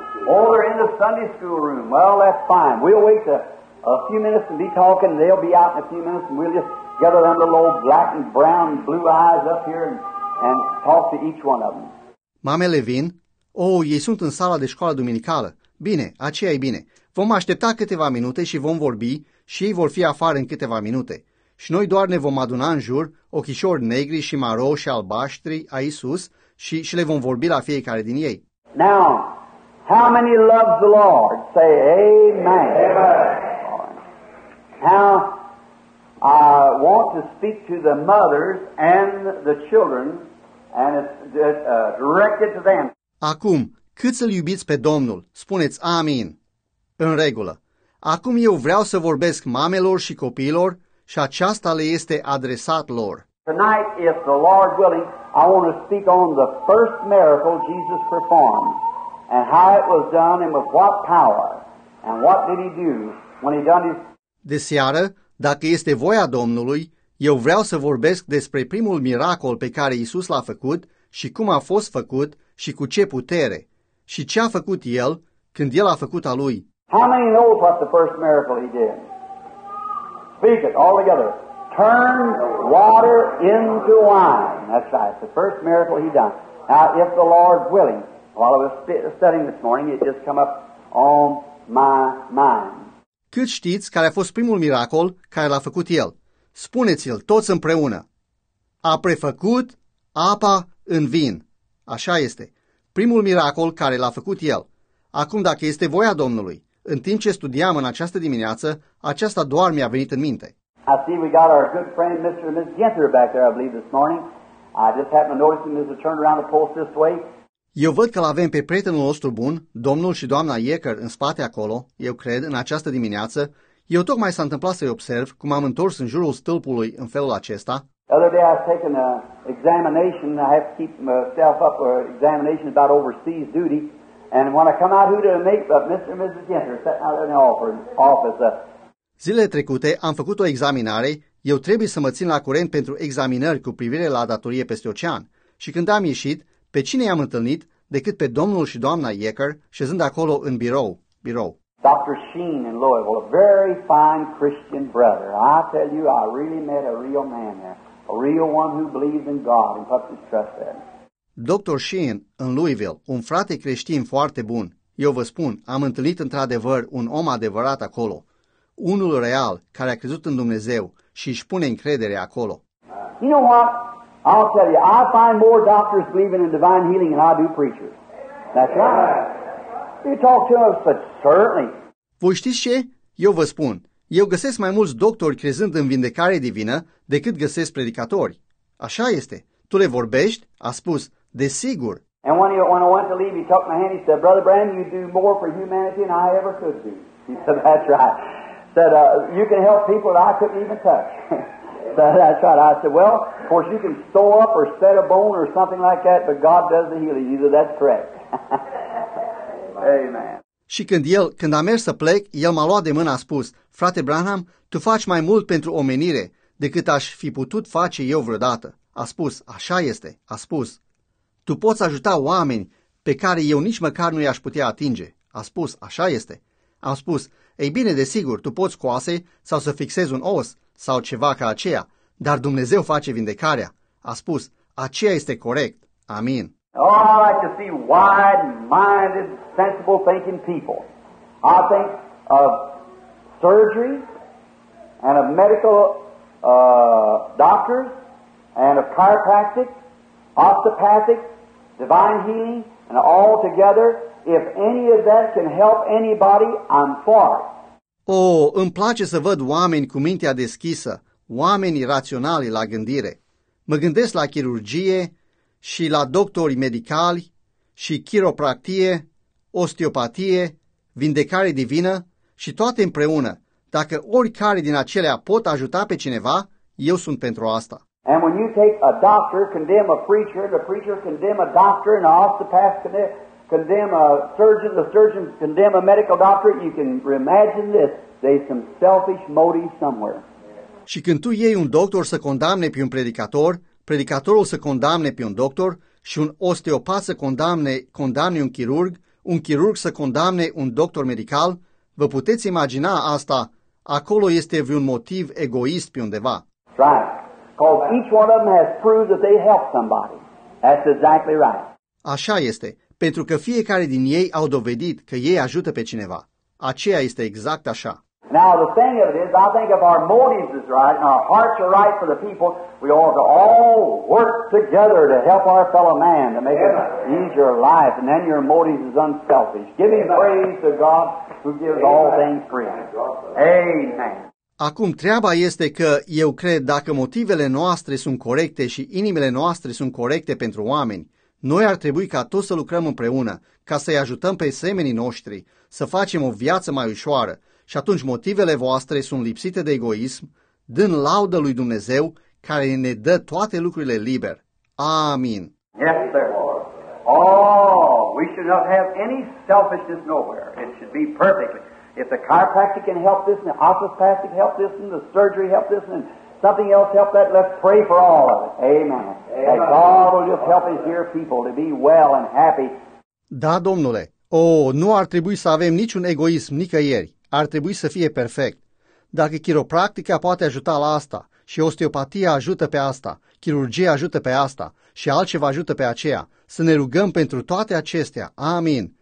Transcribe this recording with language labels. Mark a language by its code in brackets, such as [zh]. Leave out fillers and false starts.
[en] Oh, they're in the Sunday school room. Well, that's fine. We'll wait a few minutes and be talking. They'll be out in a few minutes and we'll just gather under the little black and brown and blue eyes up here and talk to each one of them. [ro] Mamele vin. Oh, ei sunt în sala de școală duminicală. Bine, aceea e bine. Vom aștepta câteva minute și vom vorbi și ei vor fi afară în câteva minute. Și noi doar ne vom aduna în jur ochișori negri și maro și albaștri aici sus și le vom vorbi la fiecare din ei. [en] Now, how many loves the Lord? Say amen. Now, I want to speak to the mothers and the children and it's directed to them. [ro] Acum, cât să-L iubiți pe Domnul? Spuneți amin. În regulă. Acum eu vreau să vorbesc mamelor și copiilor și aceasta le este adresat lor. [en] Tonight, if the Lord willing, I want to speak on the first miracle Jesus performed. And how it was done and with what power and what did he do when he done his... [ro] De seară, dacă este voia Domnului, eu vreau să vorbesc despre primul miracol pe care Iisus l-a făcut și cum a fost făcut și cu ce putere și ce a făcut el când el a făcut a lui. [en] How many know what the first miracle he did? Speak it all together. Turn water into wine. That's right, the first miracle he done. Now, if the Lord willing... While I was studying this morning, it just came up on my mind. [ro] Cât știți care a fost primul miracol care l-a făcut el? Spuneți-l toți împreună. A prefăcut apa în vin. Așa este. Primul miracol care l-a făcut el. Acum, dacă este voia Domnului, în timp ce studiam în această dimineață, aceasta doar mi-a venit în minte. [en] I see we got our good friend Mr. and Ms. Genter back there, I believe, this morning. I just happened to notice him as he turned around the post this way. [ro] Eu văd că l-avem pe prietenul nostru bun, domnul și doamna Yecker, în spate acolo, eu cred, în această dimineață. Eu tocmai s-a întâmplat să-i observ cum am întors în jurul stâlpului în felul acesta. [en] Other day I was taking an examination, I have to keep myself up for examination about overseas duty. And when I come out, who did I meet but Mr. and Mrs. Genter sitting out there in the office. [ro] Zilele trecute am făcut o examinare, eu trebuie să mă țin la curent pentru examinări cu privire la datorie peste ocean. Și când am ieșit, pe cine i-am întâlnit decât pe domnul și doamna Yecker șezând acolo în birou. [en] Dr. Sheen in Louisville, a very fine Christian brother. I tell you, I really met a real man there, a real one who believes in God and puts his trust in. [ro] Dr. Sheen in Louisville, un frate creștin foarte bun. Eu vă spun, am întâlnit într-adevăr un om adevărat acolo, unul real care a crezut în Dumnezeu și își pune încredere acolo. [en] You know what? I'll tell you, I find more doctors believing in divine healing than I do preachers. That's right. You talk to us, but certainly. [ro] Voi știți ce? Eu vă spun, eu găsesc mai mulți doctori crezând în vindecare divină decât găsesc predicatori. Așa este. Tu le vorbești? A spus, desigur. [en] And when I went to leave, he took my hand, he said, Brother Brandon, you do more for humanity than I ever could do. He said, that's right. Said, you can help people that I couldn't even touch. That's right. I said, well, of course, you can sew up or set a bone or something like that, but God does the healing. He said, that's correct. Amen. [ro] Și când a mers să plec, el m-a luat de mână, a spus, frate Branham, tu faci mai mult pentru omenire decât aș fi putut face eu vreodată. A spus, așa este. A spus, tu poți ajuta oameni pe care eu nici măcar nu i-aș putea atinge. A spus, așa este. A spus, ei bine, desigur, tu poți coase sau să fixezi un os sau ceva ca aceea, dar Dumnezeu face vindecarea. A spus, aceea este corect. Amin. [en] Oh, I like to see wide-minded, sensible thinking people. I think of surgery, and of medical doctors and of chiropractic, osteopathic, divine healing, and all together, if any of that can help anybody, I'm for it. [ro] Oh, îmi place să văd oameni cu mintea deschisă, oameni raționali la gândire. Mă gândesc la chirurgie și la doctori medicali și chiropractie, osteopatie, vindecare divină și toate împreună. Dacă oricare din acelea pot ajuta pe cineva, eu sunt pentru asta. [en] And when you take a doctor, condemn a preacher, the preacher condemn a doctor, and an osteopath condemn a surgeon, the surgeon condemn a medical doctor, you can imagine this, there's some selfish motive somewhere. [ro] Și când tu iei un doctor să condamne pe un predicator, predicatorul să condamne pe un doctor și un osteopat să condamne un chirurg, un chirurg să condamne un doctor medical, vă puteți imagina asta, acolo este vreun motiv egoist pe undeva. [en] Right. Because each one of them has proved that they helped somebody. That's exactly right. [ro] Așa este, pentru că fiecare din ei au dovedit că ei ajută pe cineva. Aceea este exact așa. [en] Now the thing of it is, I think if our motives is right and our hearts are right for the people, we ought to all work together to help our fellow man, to make it easier life, and then your motives is unselfish. Give him praise to God who gives all things free. Amen. [ro] Acum, treaba este că eu cred dacă motivele noastre sunt corecte și inimile noastre sunt corecte pentru oameni, noi ar trebui ca toți să lucrăm împreună, ca să-i ajutăm pe semenii noștri, să facem o viață mai ușoară și atunci motivele voastre sunt lipsite de egoism, dând laudă lui Dumnezeu care ne dă toate lucrurile liber. Amin. [en] Yes, sir. Oh, we should not have any selfishness nowhere. It should be perfectly. If the chiropractic can help this, and the osteopathic help this, and the surgery help this, and something else help that, let's pray for all of it. Amen. That God will just help His dear people to be well and happy. [ro] Da, Domnule. Nu ar trebui să avem niciun egoism nicăieri. Ar trebui să fie perfect. Dacă chiropractica poate ajuta la asta, și osteopatia ajută pe asta, chirurgia ajută pe asta, și altceva ajută pe aceea, să ne rugăm pentru toate acestea. Amin.